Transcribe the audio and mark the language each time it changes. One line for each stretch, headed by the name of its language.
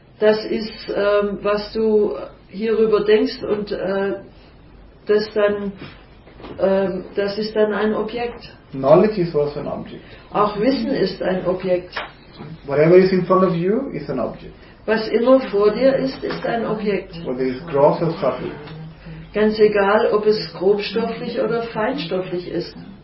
German: Das ist, was du hierüber denkst und das ist dann ein Objekt.
English: Knowledge is also an object.
German: Auch Wissen ist ein Objekt.
English: Whatever is in front of you is an object.
German: Was immer vor dir ist, ist ein Objekt.
English: Whether it's gross or subtle.
German: Ganz egal, ob es grobstofflich oder feinstofflich ist.